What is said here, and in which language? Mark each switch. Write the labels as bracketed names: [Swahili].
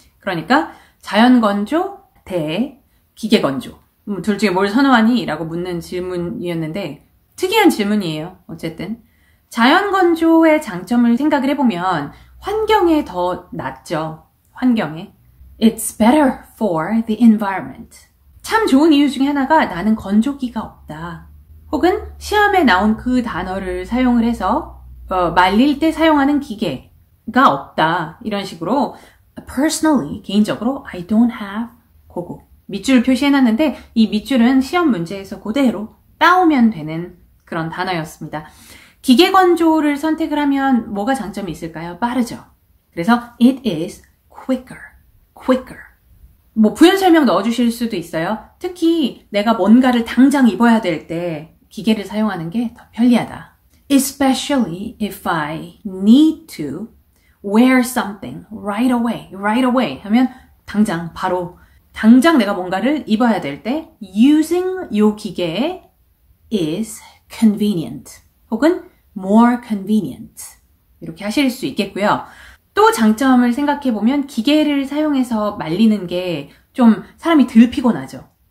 [Korean] 그러니까 자연건조 대 기계건조. 둘 중에 뭘 선호하니? 라고 묻는 질문이었는데 특이한 질문이에요. 어쨌든 자연건조의 장점을 생각을 해보면 환경에 더 낫죠. 환경에 [English] It's better for the environment. [Korean] 참 좋은 이유 중에 하나가 나는 건조기가 없다. 혹은 시험에 나온 그 단어를 사용을 해서 말릴 때 사용하는 기계가 없다. 이런 식으로 Personally, 개인적으로 [English] I don't have [Korean] 고고 밑줄을 표시해놨는데 이 밑줄은 시험 문제에서 그대로 따오면 되는 그런 단어였습니다. 기계 건조를 선택을 하면 뭐가 장점이 있을까요? 빠르죠. 그래서 [English] it is quicker, quicker. [Korean] 뭐 부연 설명 넣어주실 수도 있어요. 특히 내가 뭔가를 당장 입어야 될 때 기계를 사용하는 게 더 편리하다. [English] Especially if I need to wear something right away, right away [Korean] 하면 당장 바로 당장 내가 뭔가를 입어야 될 때 using 요 기계에 is convenient 혹은 more convenient 이렇게 하실 수 있겠고요. 또 장점을 생각해 보면 기계를 사용해서 말리는 게 좀 사람이 덜 피곤하죠.